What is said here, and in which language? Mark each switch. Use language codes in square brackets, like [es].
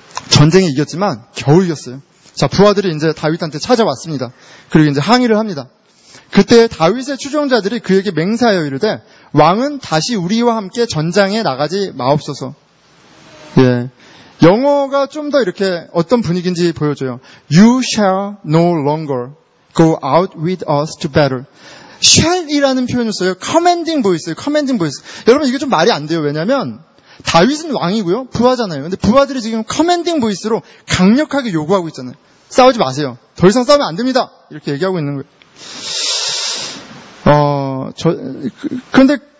[ko] 전쟁에 이겼지만 겨우 이겼어요. 자, 부하들이 이제 다윗한테 찾아왔습니다. 그리고 이제 항의를 합니다. 그때 다윗의 추종자들이 그에게 맹세하여 이르되 왕은 다시 우리와 함께 전장에 나가지 마옵소서. 예, 영어가 좀 더 이렇게 어떤 분위기인지 보여줘요. [en] You shall no longer go out with us to battle. Shall이라는 [ko] 표현을 써요. [en] Commanding voice, commanding voice. [ko] 여러분 이게 좀 말이 안 돼요. 왜냐하면 다윗은 왕이고요. 부하잖아요. 근데 부하들이 지금 커맨딩 보이스로 강력하게 요구하고 있잖아요. 싸우지 마세요. 더 이상 싸우면 안 됩니다. 이렇게 얘기하고 있는 거예요. 그런데